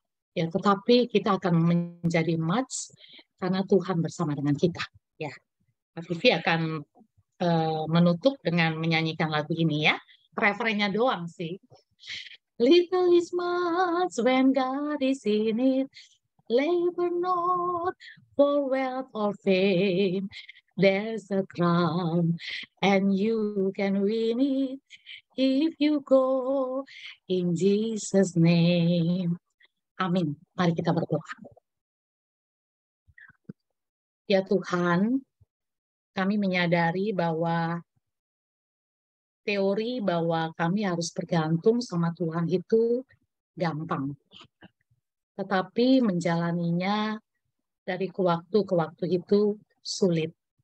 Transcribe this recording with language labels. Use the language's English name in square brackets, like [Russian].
[Indonesian] Ya, tetapi kita akan menjadi much karena Tuhan bersama dengan kita. Ya, Kak Vivi akan menutup dengan menyanyikan lagu ini ya, refrennya doang sih. [English] Little is much when God is in it. Labor not for wealth or fame. There's a crown, and you can win it if you go in Jesus' name. [Indonesian] Amin. Mari kita berdoa. Ya Tuhan, kami menyadari bahwa teori bahwa kami harus bergantung sama Tuhan itu gampang. Tetapi menjalaninya dari waktu ke waktu itu sulit.